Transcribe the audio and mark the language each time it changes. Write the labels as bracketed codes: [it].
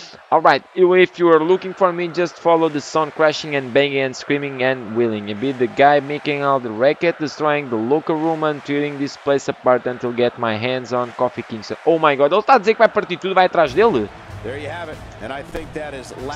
[en] Alright, if you are looking for me, just follow the sound crashing and banging and screaming and wheeling. I'll be the guy making all the racket, destroying the local room and tearing this place apart until get my hands on Kofi Kingston. [pt] Oh my god, ele está a dizer que vai partir tudo, vai atrás dele? [en] There you have it, and I think that is loud.